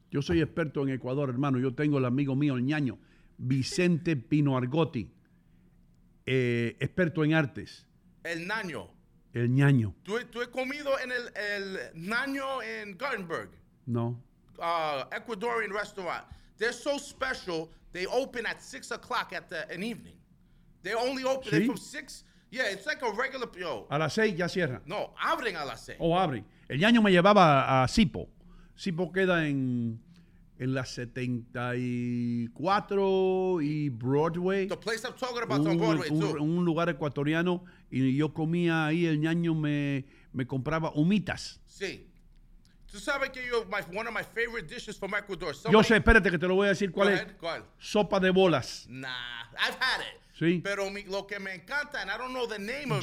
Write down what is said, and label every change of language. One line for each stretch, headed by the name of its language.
Spanish: Yo soy experto en Ecuador, hermano. Yo tengo el amigo mío, el ñaño, Vicente Pino Argotti. Experto en artes. El ñaño. El ñaño. ¿Tú has comido en el ñaño en Gutenberg? No.
English: Ecuadorian restaurant. They're so special, they open at 6 o'clock in the evening. They only open from 6. Yeah, it's like a regular. Yo.
Spanish: A las 6 ya cierran. No, abren a las 6. Oh, abren. El ñaño me llevaba a Sipo. Sipo queda en la 74 y Broadway.
English: The place I'm talking about on Broadway, too.
Spanish: Un lugar ecuatoriano. Y yo comía ahí, el ñaño me compraba humitas. Sí. Tú sabes que
English: one of my favorite dishes from Ecuador. Somebody,
Spanish: yo sé, espérate que te lo voy a decir cuál es. ¿Cuál? Sopa de bolas.
English: Nah, I've had it.
Spanish: Sí. Pero lo que me encanta,
English: and I don't know the name of